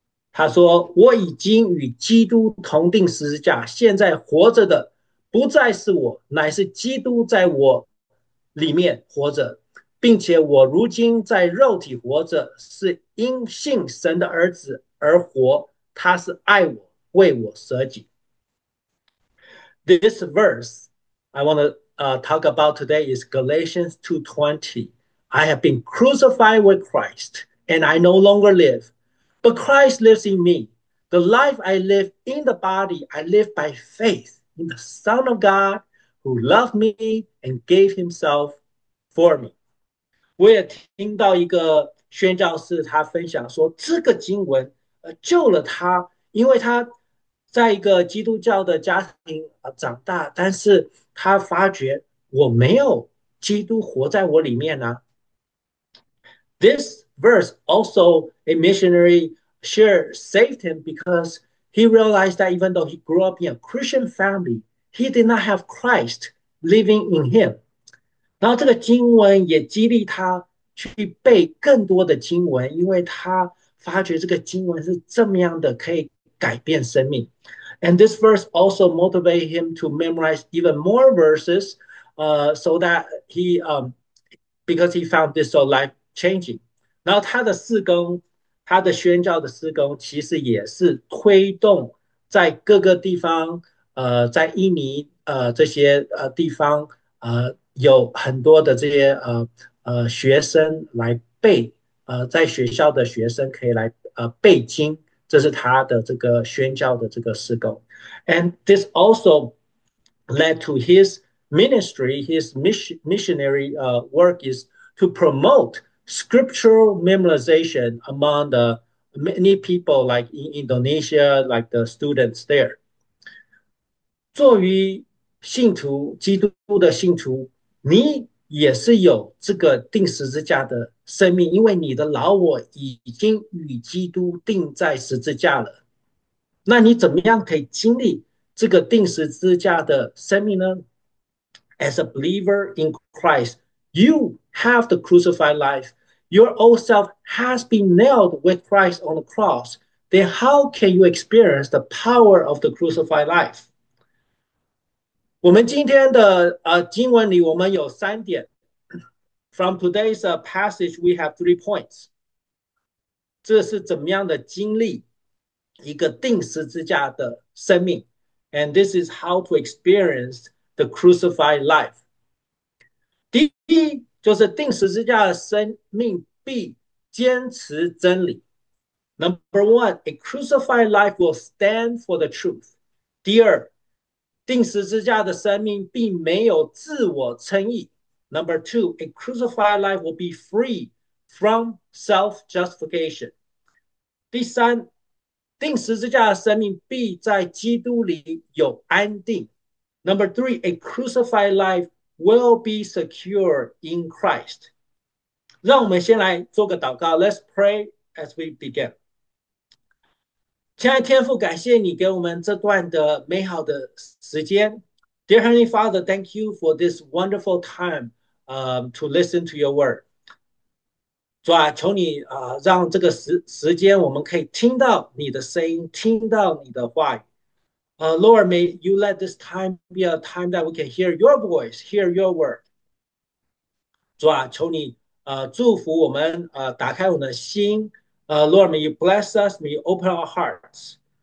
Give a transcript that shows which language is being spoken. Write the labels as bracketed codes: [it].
[zh] 他说：“我已经与基督同钉十字架，现在活着的不再是我，乃是基督在我里面活着。” 并且我如今在肉体活着，是因信神的儿子而活。他是爱我，为我舍己。 [en] This verse I want to talk about today is Galatians 2:20. I have been crucified with Christ, and I no longer live, but Christ lives in me. The life I live in the body, I live by faith in the Son of God who loved me and gave himself for me. [zh] 我也听到一个宣教士，他分享说，这个经文救了他，因为他在一个基督教的家庭长大，但是他发觉我没有基督活在我里面呢、啊。 [en] This verse also a missionary shared saved him because he realized that even though he grew up in a Christian family, he did not have Christ living in him。 [zh] 然后这个经文也激励他去背更多的经文，因为他发觉这个经文是这么样的，可以改变生命。 [en] And this verse also motivate him to memorize even more verses, so that he, because he found this so life changing. [zh] 然后他的事工，他的宣教的事工，其实也是推动在各个地方，在印尼这些地方有很多的这些学生来背，在学校的学生可以来背经，这是他的这个宣教的这个事工。 [en] And this also led to his ministry. His missionary work is to promote scriptural memorization among the many people like in Indonesia, like the students there. [zh] 作为信徒，基督的信徒，你也是有这个钉十字架的生命，因为你的老我已经与基督钉在十字架了。那你怎么样可以经历这个钉十字架的生命呢？ [en] As a believer in Christ, you have the crucified life. Your old self has been nailed with Christ on the cross. Then how can you experience the power of the crucified life? [zh] 我们今天的经文里，我们有三点。 [en] From today's passage, we have 3 points. [zh] 这是怎么样的经历？一个钉十字架的生命。 [en] And this is how to experience the crucified life. [zh] 第一就是钉十字架的生命必坚持真理。 [en] Number one, a crucified life will stand for the truth. [zh] 第二，钉十字架的生命并没有自我称义。 [en] Number two, a crucified life will be free from self-justification. [zh] 第三，钉十字架的生命必在基督里有安定。 [en] Number three, a crucified life will be secure in Christ. [zh] 让我们先来做个祷告。 [en] Let's pray as we begin. [zh] 亲爱的天父，感谢你给我们这段的美好的时间。 [en] Dear Heavenly Father, thank you for this wonderful time, to listen to your word. [zh] 主啊，求你让这个时间，我们可以听到你的声音，听到你的话语。 [en] Lord, may you let this time be a time that we can hear your voice, hear your word. [zh] 主啊，求你祝福我们，打开我们的心。 [en] Lord, may you bless us, may you open our hearts.